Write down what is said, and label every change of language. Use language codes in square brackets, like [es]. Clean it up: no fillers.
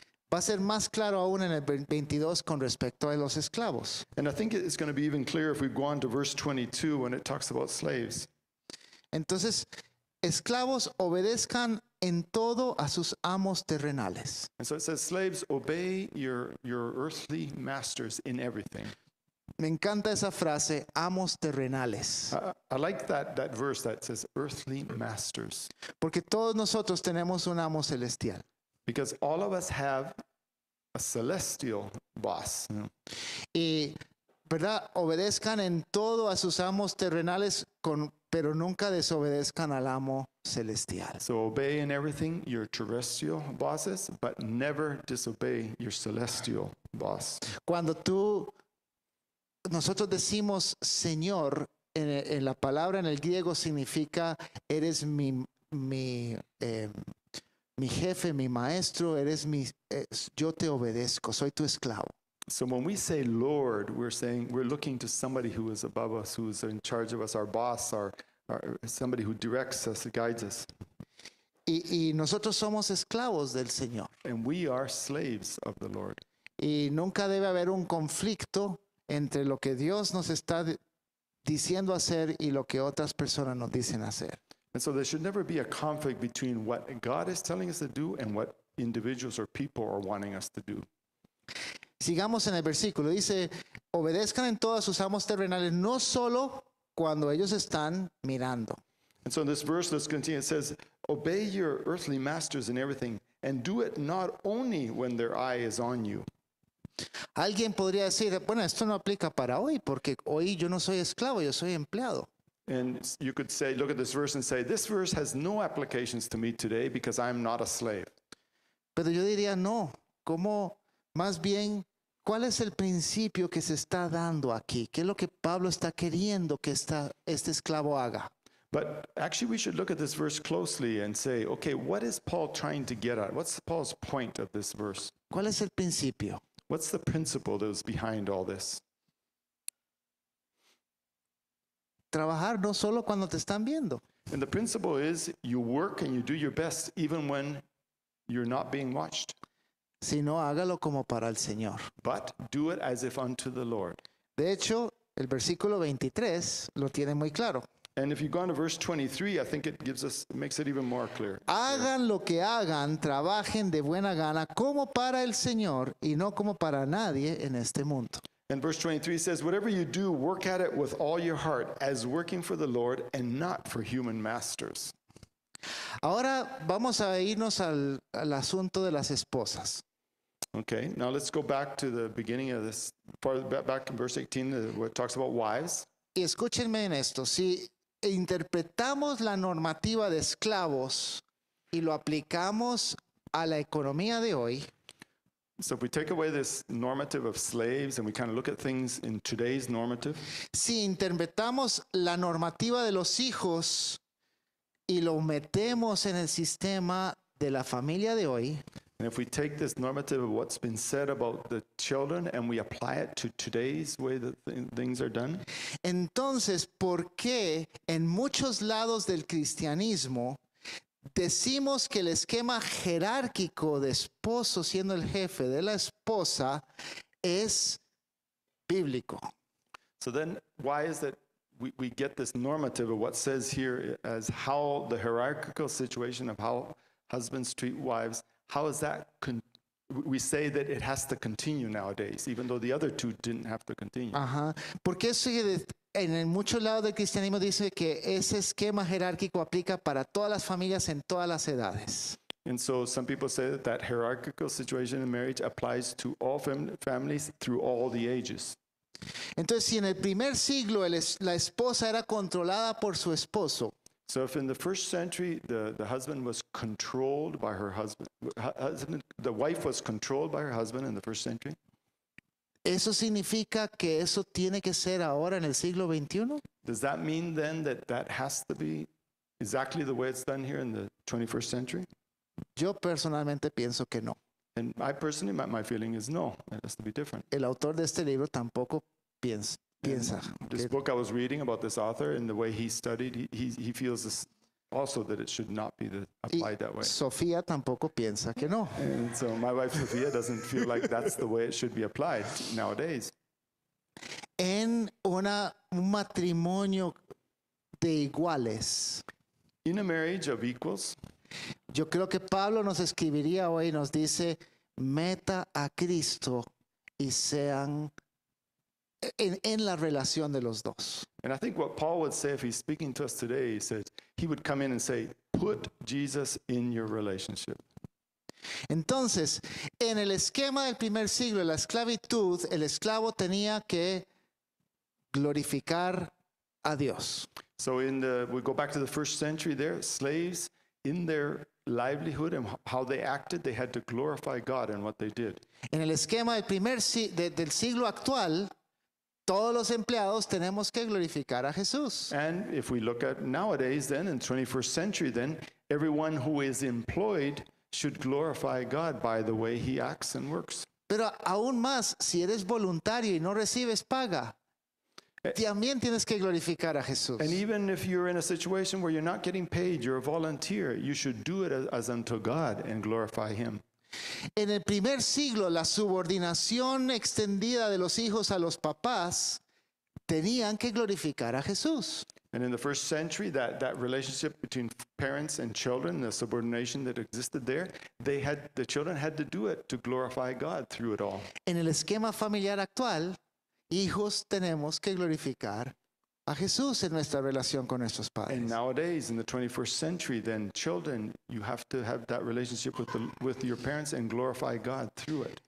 [es] Va a ser más claro aún en el 22 con respecto a los esclavos. [en] And I think it's going to be even clearer if we go on to verse 22 when it talks about slaves. [es] Entonces, esclavos, obedezcan en todo a sus amos terrenales. [en] And so it says, slaves, obey your earthly masters in everything. [es] Me encanta esa frase, amos terrenales. [en] I like that verse that says, earthly masters. [es] Porque todos nosotros tenemos un amo celestial. [en] Because all of us have a celestial boss. [es] Y, ¿verdad? Obedezcan en todo a sus amos terrenales, pero nunca desobedezcan al amo celestial. [en] So obey in everything your terrestrial bosses, but never disobey your celestial boss. [es] Cuando nosotros decimos Señor, en la palabra en el griego significa eres mi jefe, mi maestro, eres yo te obedezco, soy tu esclavo. [en] So when we say Lord, we're looking to somebody who is above us, who is in charge of us, our boss, or somebody who directs us, guides us. [es] Y nosotros somos esclavos del Señor. [en] And we are slaves of the Lord. [es] Y nunca debe haber un conflicto entre lo que Dios nos está diciendo hacer y lo que otras personas nos dicen hacer. [en] And so there should never be a conflict between what God is telling us to do and what individuals or people are wanting us to do. [es] Sigamos en el versículo. Dice, obedezcan en todo a sus amos terrenales, no solo cuando ellos están mirando. [en] And so in this verse, let's continue. It says, obey your earthly masters in everything, and do it not only when their eye is on you. [es] Alguien podría decir, bueno, esto no aplica para hoy, porque hoy yo no soy esclavo, yo soy empleado. [en] And you could say, look at this verse and say, this verse has no applications to me today because I'm not a slave. [es] Pero yo diría, no. ¿Cómo, más bien, cuál es el principio que se está dando aquí? ¿Qué es lo que Pablo está queriendo que este esclavo haga? [en] But actually we should look at this verse closely and say, okay, what is Paul trying to get at? What's Paul's point of this verse? [es] ¿Cuál es el principio? [en] What's the principle that is behind all this? [es] Trabajar no solo cuando te están viendo. [en] And the principle is you work and you do your best even when you're not being watched. [es] Sino hágalo como para el Señor. [en] But do it as if unto the Lord. [es] De hecho, el versículo 23 lo tiene muy claro. [en] And if you go on to verse 23, I think it gives us, makes it even more clear. [es] Hagan lo que hagan, trabajen de buena gana como para el Señor y no como para nadie en este mundo. [en] And verse 23 says, whatever you do, work at it with all your heart as working for the Lord and not for human masters. [es] Ahora vamos a irnos al asunto de las esposas. [en] Okay, now let's go back to the beginning of this, back in verse 18, where it talks about wives. [es] Y escúchenme en esto, si interpretamos la normativa de esclavos y lo aplicamos a la economía de hoy, [en] so if we take away this normative of slaves and we kind of look at things in today's normative, [es] si interpretamos la normativa de los hijos y lo metemos en el sistema de la familia de hoy, [en] and if we take this normative of what's been said about the children and we apply it to today's way that things are done, [es] entonces, ¿por qué en muchos lados del cristianismo decimos que el esquema jerárquico de esposo siendo el jefe de la esposa es bíblico? [en] So then, why is that we get this normative of what says here as how the hierarchical situation of how husbands treat wives, how is that, we say that it has to continue nowadays, even though the other two didn't have to continue. Ajá. [es] Porque eso en muchos lados del cristianismo dice que ese esquema jerárquico aplica para todas las familias en todas las edades. [en] And so some people say that hierarchical situation in marriage applies to all families through all the ages. [es] Entonces, si en el primer siglo la esposa era controlada por su esposo, [en] so if in the first century the husband was controlled by her husband, the wife was controlled by her husband in the first century, [es] ¿eso significa que eso tiene que ser ahora en el siglo 21? [en] Does that mean then that has to be exactly the way it's done here in the 21st century? [es] Yo personalmente pienso que no. [en] And I personally, my feeling is no, it has to be different. [es] El autor de este libro tampoco piensa. [en] This book I was reading about this author and the way he studied, he feels this also that it should not be applied that way. [es] Sofía tampoco piensa que no. [en] And so my wife Sofía doesn't feel like that's the way it should be applied nowadays. [es] En un matrimonio de iguales. [en] In a marriage of equals. [es] Yo creo que Pablo nos escribiría hoy y nos dice, meta a Cristo y sean en la relación de los dos. [en] And I think what Paul would say if he's speaking to us today, he says, he would come in and say, put Jesus in your relationship. [es] Entonces, en el esquema del primer siglo, la esclavitud, el esclavo tenía que glorificar a Dios. [en] So we go back to the first century there, slaves in their livelihood and how they acted, they had to glorify God in what they did. [es] En el esquema del primer del siglo actual, todos los empleados tenemos que glorificar a Jesús. [en] And if we look at nowadays then, in 21st century then, everyone who is employed should glorify God by the way he acts and works. [es] Pero aún más, si eres voluntario y no recibes paga, también tienes que glorificar a Jesús. [en] And even if you're in a situation where you're not getting paid, you're a volunteer, you should do it as unto God and glorify him. [es] En el primer siglo, la subordinación extendida de los hijos a los papás tenían que glorificar a Jesús. [en] And in the first century, that relationship between parents and children, the subordination that existed there, the children had to do it to glorify God through it all. [es] En el esquema familiar actual, hijos tenemos que glorificar a Jesús en nuestra relación con nuestros padres. [en] And nowadays, in the 21st century, then children, you have to have that relationship with your parents and glorify God through it.